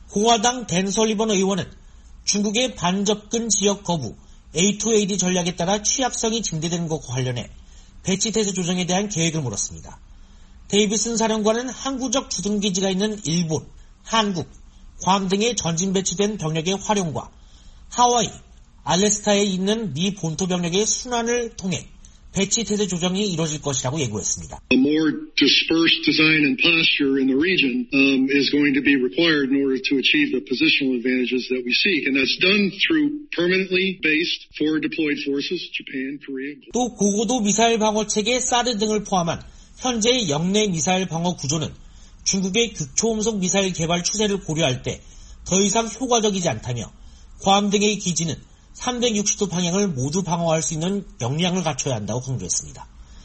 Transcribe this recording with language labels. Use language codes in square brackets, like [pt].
[ko] 공화당 댄 설리번 의원은 중국의 반접근 지역 거부, A2AD 전략에 따라 취약성이 증대되는 것과 관련해 배치태세 조정에 대한 계획을 물었습니다. 데이비슨 사령관은 항구적 주둔기지가 있는 일본, 한국, 괌 등의 전진 배치된 병력의 활용과 하와이, 알래스카에 있는 미 본토 병력의 순환을 통해 배치 태세 조정이 이루어질 것이라고 예고했습니다. [en] A more dispersed design and posture in the region is going to be required in order to achieve the positional advantages that we seek, and that's done through permanently based forward deployed forces, Japan, Korea. [ko] 또 고고도 미사일 방어 체계 사드 등을 포함한 현재 역내 미사일 방어 구조는 중국의 극초음속 미사일 개발 추세를 고려할 때 더 이상 효과적이지 않다며 괌 등의 기지는 360도 방향을 모두 방어할 수 있는 역량을 갖춰야 한다고 강조했습니다.